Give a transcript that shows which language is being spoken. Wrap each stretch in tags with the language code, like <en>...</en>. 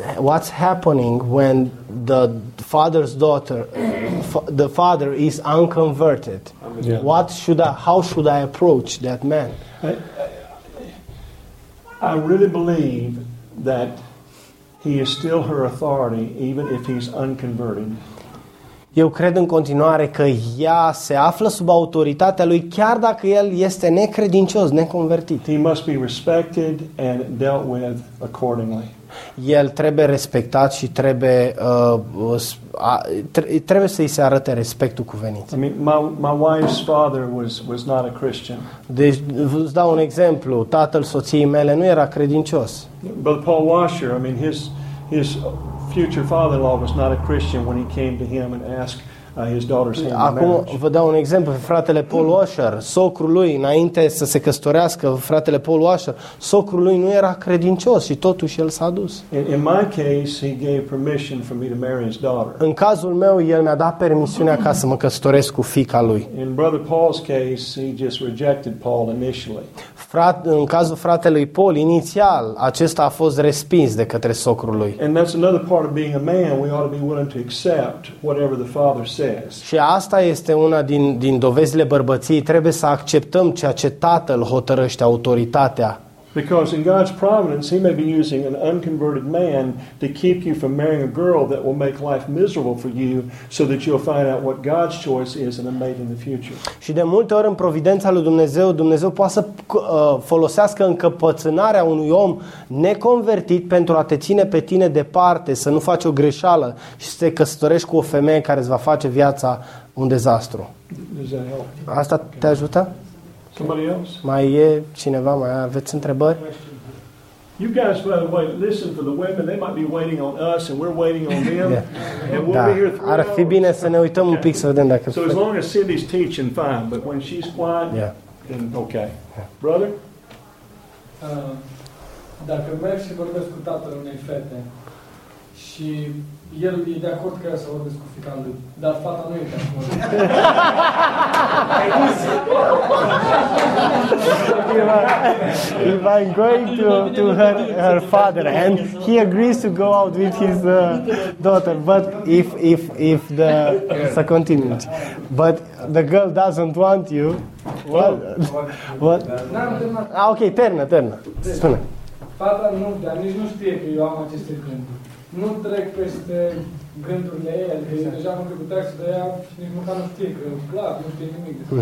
<en>What's happening when the father's daughter, the father is unconverted? Yeah. How should I approach that man? I really believe that he is still her authority, even if he's unconverted.</en> <ro>Eu cred în continuare că ea se află sub autoritatea lui, chiar dacă el este necredincios, neconvertit.</ro> <en>He must be respected and dealt with accordingly.</en> <ro>El trebuie respectat și trebuie să-i se arate respectul cuvenit.</ro> <en>I mean, my wife's father was not a Christian.</en> <ro>Deci, îți dau un exemplu, tatăl soției mele nu era credincios.</ro> <en>But Paul Washer, I mean, his future father-in-law was not a Christian when he came to him and asked his daughter's hand in marriage.</en> <ro>Acum vă dau un exemplu. Fratele Paul Washer, socrul lui, înainte să se căsătorească, fratele Paul Washer, socrul lui nu era credincios și totuși el s-a dus.</ro> <en>In my case, he gave permission for me to marry his daughter.</en> <ro>În cazul meu, el mi-a dat permisiunea ca să mă căsătoresc cu fiica lui.</ro> <en>In brother Paul's case, he just rejected Paul initially.</en> <ro>În cazul fratelui Paul, inițial, acesta a fost respins de către socrul lui.</ro> <en>And that's another part of being a man. We ought to be willing to accept whatever the father says.</en> <ro>Și asta este una din dovezile bărbăției. Trebuie să acceptăm ceea ce tatăl hotărăște, autoritatea.</ro> <en>Because in God's providence, he may be using an unconverted man to keep you from marrying a girl that will make life miserable for you, so that you'll find out what God's choice is in a mate in the future.</en> <ro>Și de multe ori în providența lui Dumnezeu, Dumnezeu poate să folosească încăpățânarea unui om neconvertit pentru a te ține pe tine departe, să nu faci o greșeală și să te căsătorești cu o femeie care îți va face viața un dezastru. Asta te ajută?</ro> <en>Somebody else?</en> <ro>Mai e cineva? Mai aveți întrebări?</ro> <en>You guys, by the way, listen for the women. They might be waiting on us and we're waiting on them. Yeah. And we'll be here three hours.</en> <ro>Ar fi bine să ne uităm un pic să vedem dacă...</ro> <en>So as long as Cindy's teaching, fine. But when she's quiet, then okay. Yeah. Brother?</en> <ro>Dacă merg și vorbesc cu tatăl unei fete și el e de acord că să vorbesc cu fiica lui, dar fata nu e de acord.</ro> <en>if I'm going to her father, and he agrees to go out with his daughter, but if the so continue, but the girl doesn't want you, what?</en> <ro>Okay, ternă. Spune. Fata nu, dar nici nu știe că eu am aceste gânduri. Nu trec peste gândurile ei, adică exact. Deja am trecut taxul de ea și nici măcar nu știe că clar, nu știe nimic.</ro>